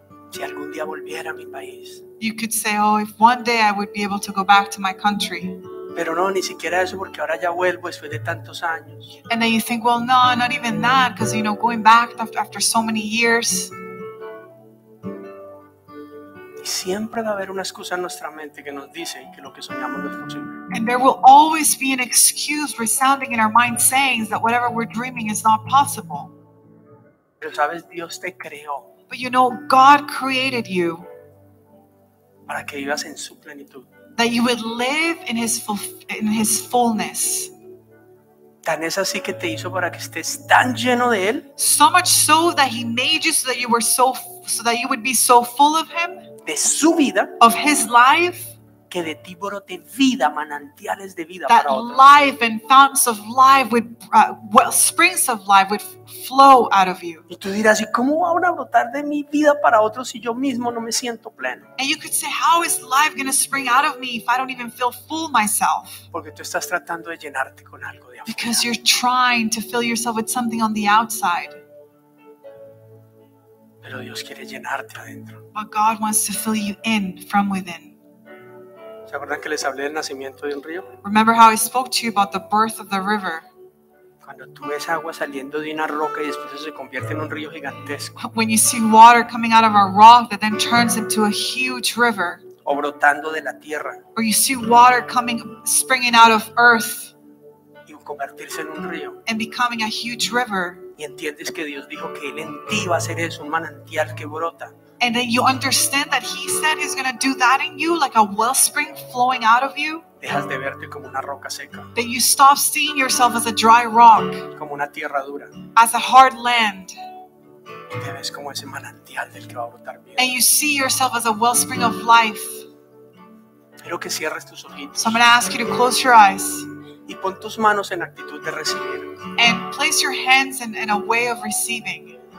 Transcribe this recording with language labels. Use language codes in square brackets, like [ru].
[es] Si algún día volviera a mi país. [en] You could say, oh, if one day I would be able to go back to my country. [es] Pero no, ni siquiera eso, porque ahora ya vuelvo después de tantos años. [en] And then you think, well, no, not even that, because, you know, going back after so many years. [es] Siempre va a haber una excusa en nuestra mente que nos dice que lo que soñamos no es posible. [en] And there will always be an excuse resounding in our mind saying that whatever we're dreaming is not possible. [es] Pero sabes, Dios te creó. [en] But you know, God created you. [es] Para que vivas en su plenitud. [en] That you would live in his fullness. [es] Tan es así que te hizo para que estés tan lleno de él. [en] So much so that he made you so that you were so that you would be so full of him. [es] De su vida, [en] of his life, [es] que de ti brote vida, manantiales de vida [en] that [es] para otros. [en] Life and fountains of life would well springs of life would flow out of you. [es] Y tú dirás, ¿y cómo van a brotar de mi vida para otros si yo mismo no me siento pleno? [en] And you could say, how is life going to spring out of me if I don't even feel full myself? [es] Porque tú estás tratando de llenarte con algo de afuera. [en] Because you're trying to fill yourself with something on the outside. [es] Pero Dios quiere llenarte adentro. [en] But God wants to fill you in from within. [es] ¿Se acuerdan que les hablé del nacimiento de un río? [en] Remember how I spoke to you about the birth of the river? [es] Cuando tú ves agua saliendo de una roca y después se convierte en un río gigantesco. [en] When you see water coming out of a rock that then turns into a huge river. [es] O brotando de la tierra. [en] Or you see water coming, springing out of earth. [es] Y convertirse en un río. [en] And becoming a huge river. [es] Y entiendes que Dios dijo que él en ti va a ser eso, un manantial que brota. [en] And then you understand that he said he's going to do that in you, like a wellspring flowing out of you. [es] Dejas de verte como una roca seca. [en] Then you stop seeing yourself as a dry rock. [es] Como una tierra dura. [en] As a hard land. [es] Y te ves como ese manantial del que va a brotar vida. [en] And you see yourself as a wellspring of life. [es] Quiero que cierres tus ojitos. [en] So I'm going to ask you to close your eyes. [es] Y pon tus manos en actitud de recibir. [en] And place your hands in a way of receiving.